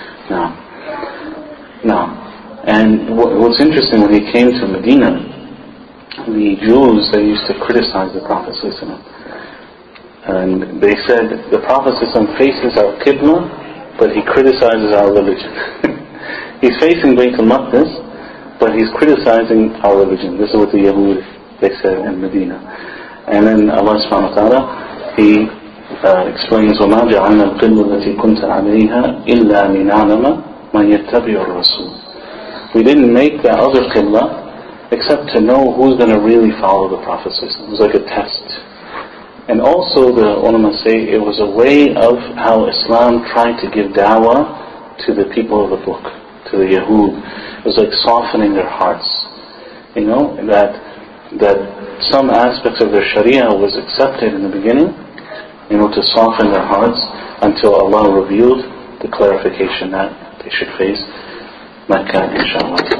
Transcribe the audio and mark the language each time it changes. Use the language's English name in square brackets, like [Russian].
[English] Now, and what's interesting, when he came to Medina, the Jews, they used to criticize the Prophet ﷺ. And they said, the Prophet ﷺ faces our qibla, but he criticizes our religion. He's facing Baytul Maqdis, but he's criticizing our religion. This is what the Yahud, they said in Medina. And then Allah subhanahu wa ta'ala, he explains, [Arabic] وَمَا جَعَلْنَا الْقِبْلَةَ الَّتِي كُنْتَ عَلَيْهَا إِلَّا لِنَعْلَمَ مَنْ يَتَّبِعُ الرَّسُولِ. [English] We didn't make that other qibla except to know who's going to really follow the Prophet. It was like a test. And also the ulama say it was a way of how Islam tried to give da'wah to the people of the book, to the Yahud. It was like softening their hearts. You know, that some aspects of their sharia was accepted in the beginning, you know, to soften their hearts until Allah revealed the clarification that they should face Mecca, inshallah.